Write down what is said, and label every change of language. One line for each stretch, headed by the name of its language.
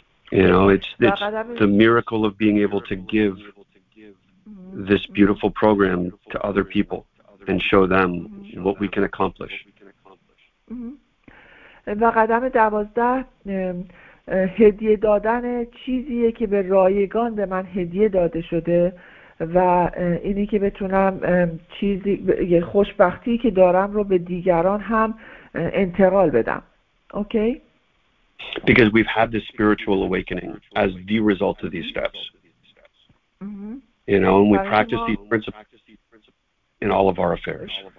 English: You know, it's the miracle of being able to give this beautiful program to other people and show them what we can accomplish.
Persian: و قدم 12 هدیه دادن چیزیه که به رایگان به من هدیه داده شده و اینی که بتونم چیزی خوشبختی که دارم رو به دیگران هم انتقال بدم. اوکی؟
English: Because we've had this spiritual awakening as the result of these steps. You know, and we practice these principles in all of our affairs.